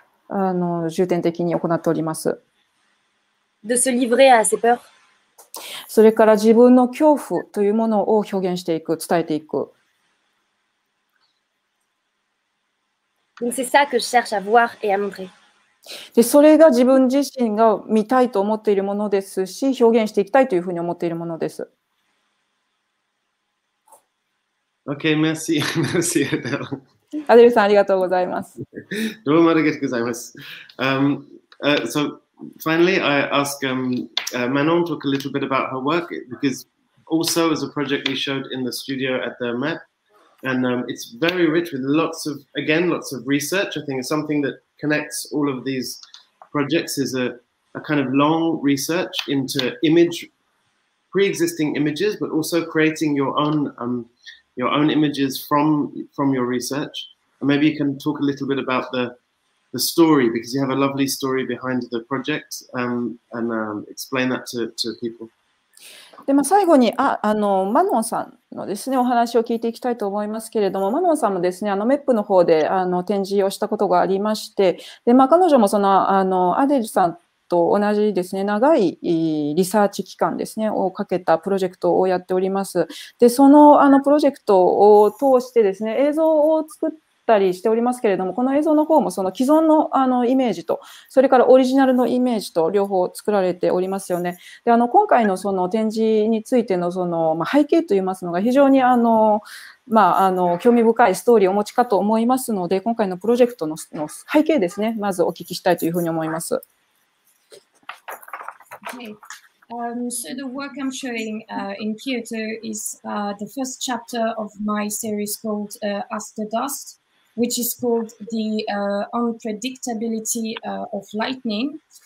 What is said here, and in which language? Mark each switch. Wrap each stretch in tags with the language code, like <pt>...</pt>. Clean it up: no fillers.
<ja>あの重点的に行っております。</ja> <fr>De se livrer à ses peurs.</fr> <ja>それから自分の恐怖というものを表現していく、伝えていく。</ja> <fr>Donc c'est ça que je cherche à voir et à montrer.</fr> <ja>でそれが自分自身が見たいと思っているものですし、表現していきたいというふうに思っているものです。</ja> <fr>OK, merci. Merci, Adèle.</fr> <ja>アデルさん、ありがとうございます。どうもありがとうございます。</ja> <en>So, finally, I ask Manon to talk a little bit about her work, because also is a project we showed in the studio at the MET, and it's very rich with lots of, again, lots of research. I think something that connects all of these projects is a kind of long research into image, pre-existing images, but also creating your own... your own images from your research. And maybe you can talk a little bit about the story, because you have a lovely story behind the project, explain that to people.</en> <ja>で、まあ、最後に、マノンさんのですね、お話を聞いていきたいと思いますけれども、マノンさんもですね、MEPの方で、展示をしたことがありまして、で、まあ、彼女もその、アデルさんと同じですね、長いリサーチ期間ですね、をかけたプロジェクトをやっております。で、その、プロジェクトを通してですね、映像を作ったりしておりますけれども、この映像の方もその既存の、イメージと、それからオリジナルのイメージと両方作られておりますよね。で、今回のその展示についてのその、まあ、背景といいますのが非常にまあ、興味深いストーリーをお持ちかと思いますので、今回のプロジェクトの背景ですね、まずお聞きしたいというふうに思います。</ja> <en>Okay, so the work I'm showing in Kyoto is the first chapter of my series called Ask the Dust, which is called The Unpredictability of Lightning.</en>